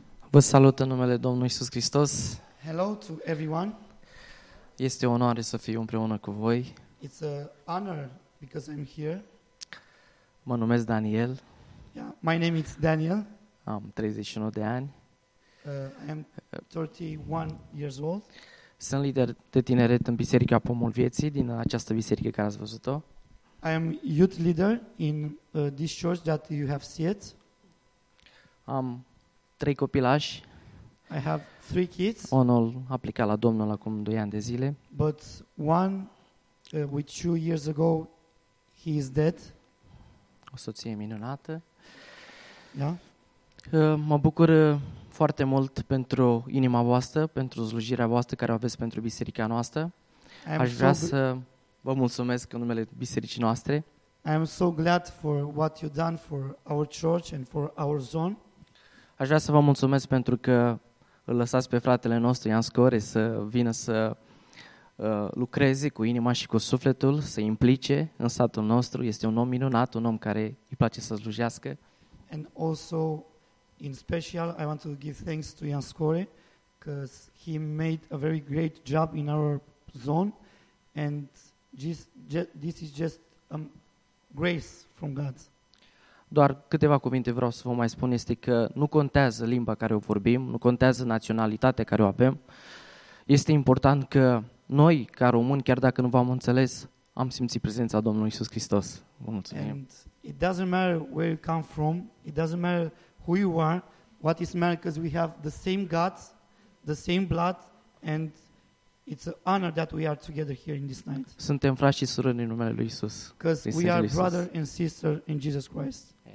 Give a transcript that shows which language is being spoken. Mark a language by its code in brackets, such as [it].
[ro] Vă salut în numele Domnului Iisus Hristos. [en] Hello to everyone. [ro] Este o onoare să fiu împreună cu voi. [en] It's an honor because I'm here. [ro] Mă numesc Daniel. [en] Yeah, my name is Daniel. [ro] Am 31 de ani. [en] I am 31 years old. [ro] Sunt lider de tineret în Biserica Pomul Vieții, din această biserică care ați văzut-o. [en] I am youth leader in this church that you have seen. [ro] Am 3 copilași. [en] I have 3 kids. [ro] Unul a plecat la Domnul acum 2 ani de zile. [en] But one with 2 years ago he is dead. [ro] O soție minunată. Yeah. Mă bucur foarte mult pentru inima voastră, pentru slujirea voastră care o aveți pentru biserica noastră. Aș vrea să vă mulțumesc în numele bisericii noastre. [en] I am so glad for what you've done for our church and for our zone. [ro] Aș vrea să vă mulțumesc pentru că îl lăsați pe fratele nostru, Ian Score, să vină să lucreze cu inima și cu sufletul, să implice în satul nostru. Este un om minunat, un om care îi place să slujească. [en] And also, in special, I want to give thanks to Ian Score, because he made a very great job in our zone, and this is just grace from God. [ro] Doar câteva cuvinte vreau să vă mai spun, este că nu contează limba care o vorbim, nu contează naționalitatea care o avem. Este important că noi, ca români, chiar dacă nu v-am înțeles, am simțit prezența Domnului Iisus Hristos. Vă mulțumim. [en] And it doesn't matter where you come from, it doesn't matter who you are, what is matter, because we have the same God, the same blood, and it's an honor that we are together here in this night. [ro] Suntem frați și surori în numele lui Iisus. [en] Because we are brother and sister in Jesus Christ.